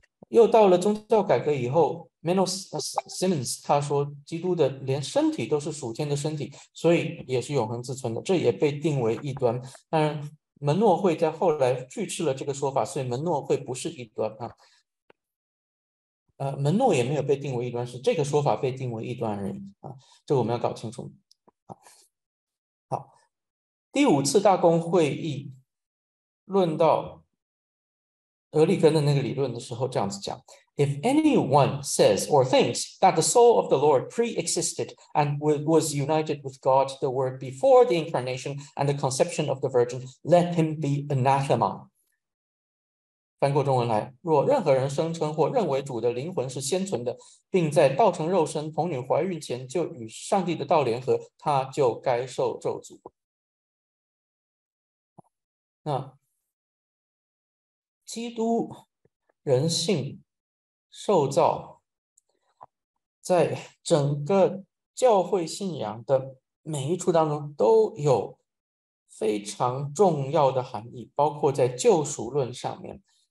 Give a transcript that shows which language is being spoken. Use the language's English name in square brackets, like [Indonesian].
[Chinese] 又到了宗教改革以后，Menno Simons 他说，基督的连身体都是属天的身体，所以也是永恒自存的，这也被定为异端。当然，门诺会在后来拒斥了这个说法，所以门诺会不是异端啊。门诺也没有被定为异端，是这个说法被定为异端而已啊。这个我们要搞清楚啊。第五次大公会议论到俄立根的那个理论的时候，这样子讲： [English] If anyone says or thinks that the soul of the Lord pre-existed and was united with God the Word before the incarnation and the conception of the Virgin, let him be anathema。 [Chinese] 翻过中文来，若任何人声称或认为主的灵魂是先存的，并在道成肉身、童女怀孕前就与上帝的道联合，他就该受咒诅。那基督人性受造，在整个教会信仰的每一处当中都有非常重要的含义，包括在救赎论上面。